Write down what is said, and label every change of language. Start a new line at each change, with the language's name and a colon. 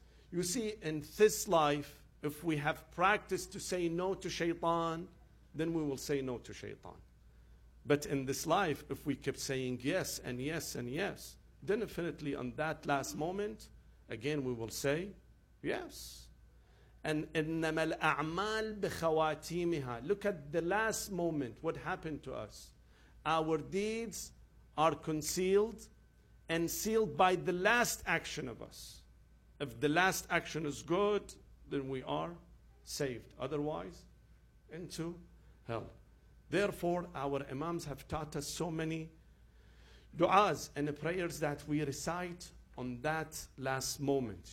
English: You see, in this life, if we have practiced to say no to shaitan, then we will say no to shaitan. But in this life, if we kept saying yes and yes and yes, then definitely on that last moment, again, we will say yes.
Arabic: And إِنَّمَا الْأَعْمَالِ بِخَوَاتِيمِهَا.
English: Look at the last moment, what happened to us. Our deeds are concealed and sealed by the last action of us. If the last action is good, then we are saved. Otherwise, into hell. Therefore, our imams have taught us so many du'as and prayers that we recite on that last moment.